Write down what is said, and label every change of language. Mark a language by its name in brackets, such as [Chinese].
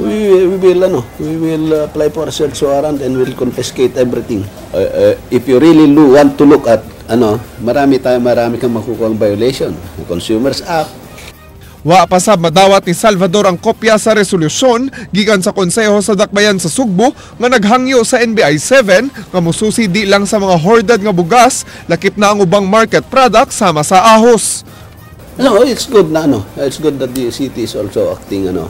[English] We will apply for a search warrant and we'll confiscate everything. If you really want to look at [Filipino] marami kang makukuha ang [English] violation, Consumers Act. [Cebuano] Wa pasab madawat ni Salvador ang kopya sa resolusyon gikan sa Konseho sa Dakbayan sa Sugbo nga naghangyo sa NBI 7 nga mosusi di lang sa mga hoarded nga bugas, lakip na ang ubang market products sama sa ahos. [English] It's good that the city is also acting